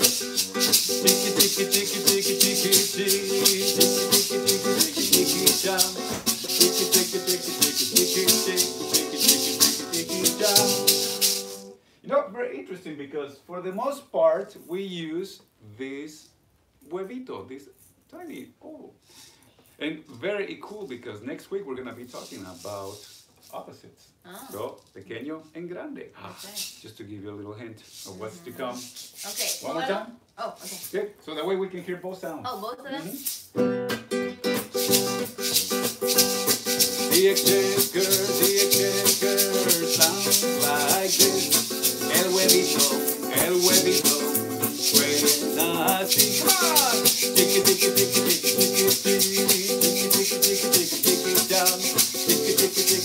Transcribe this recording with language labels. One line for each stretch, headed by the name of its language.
English: Tiki tiki tiki tiki tiki tiki tiki tiki tiki tiki tiki tiki tiki tiki tiki tiki tiki tiki tiki tiki tiki. You know, very interesting, because for the most part we use this huevito, this tiny oval. And very cool, because next week we're gonna be talking about opposites. Oh. So,
Spanish: pequeño
English: and
Spanish: grande.
English: Okay. Just to give you a little hint of what's to come. Okay. One more time? Oh, okay. Okay, so that way we can hear both sounds. Oh, both of them? The egg shaker, the egg shaker, sounds like this.
Spanish: El huevito, suena así. Tiki, tiki, tiki, tiki, tiki, tiki, tiki, tiki, tiki, tiki, tiki, tiki, tiki.